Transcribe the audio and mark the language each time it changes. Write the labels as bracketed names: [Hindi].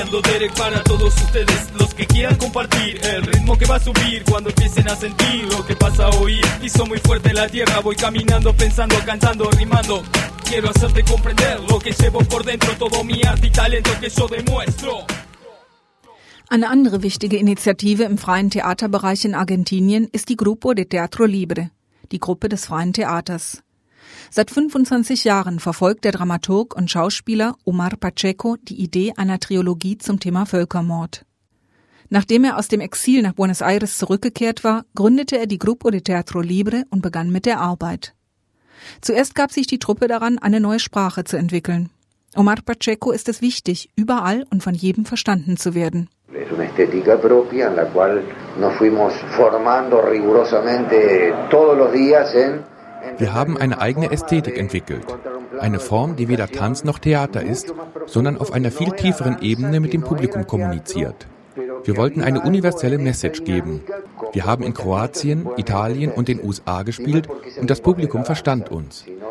[Spanish] deseando Derek para todos ustedes, los que quieran compartir el ritmo que va a subir cuando empiecen a sentir lo que pasa hoy. Hizo muy fuerte la tierra, voy caminando, pensando, cantando, rimando. Quiero hacerte comprender lo que llevo por dentro, todo mi arte y talento que yo demuestro. [German] Eine andere wichtige Initiative im freien Theaterbereich in Argentinien ist die Grupo de Teatro Libre, die Gruppe des freien Theaters. Seit 25 Jahren verfolgt der Dramaturg und Schauspieler Omar Pacheco die Idee einer Trilogie zum Thema Völkermord. Nachdem er aus dem Exil nach Buenos Aires zurückgekehrt war, gründete er die Grupo de Teatro Libre und begann mit der Arbeit. Zuerst gab sich die Truppe daran, eine neue Sprache zu entwickeln. Omar Pacheco ist es wichtig, überall und von jedem verstanden zu werden. [Spanish] Es una estética propia en la cual nos fuimos formando rigurosamente todos los días en. [German] Wir haben eine eigene Ästhetik entwickelt. Eine Form, die weder Tanz noch Theater ist, sondern auf einer viel tieferen Ebene mit dem Publikum kommuniziert. Wir wollten eine universelle Message geben. Wir haben in Kroatien, Italien und den USA gespielt und das Publikum verstand uns.